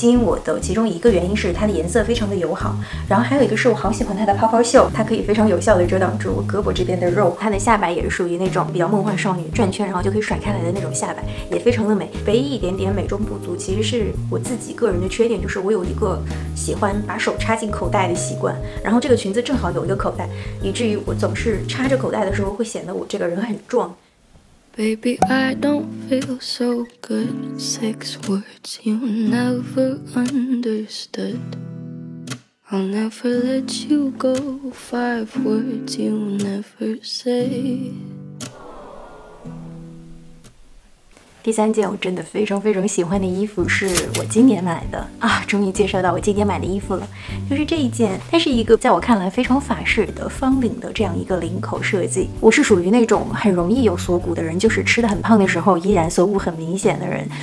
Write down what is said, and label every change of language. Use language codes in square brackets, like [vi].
[zh] 吸引我的其中一个原因是它的颜色非常的友好，然后还有一个是我好喜欢它的泡泡袖，它可以非常有效的遮挡住我胳膊这边的肉，它的下摆也是属于那种比较梦幻少女转圈然后就可以甩开来的那种下摆，也非常的美。唯一一点点美中不足其实是我自己个人的缺点，就是我有一个喜欢把手插进口袋的习惯，然后这个裙子正好有一个口袋，以至于我总是插着口袋的时候会显得我这个人很壮。 [en] Baby I don't feel so good. Six words you never understood. I'll never let you go. Five words you never say. [zh] 第三件我真的非常非常喜欢的衣服是我今年买的啊，终于介绍到我今年买的衣服了，就是这一件。它是一个在我看来非常法式的方领的这样一个领口设计。我是属于那种很容易有锁骨的人，就是吃得很胖的时候依然锁骨很明显的人。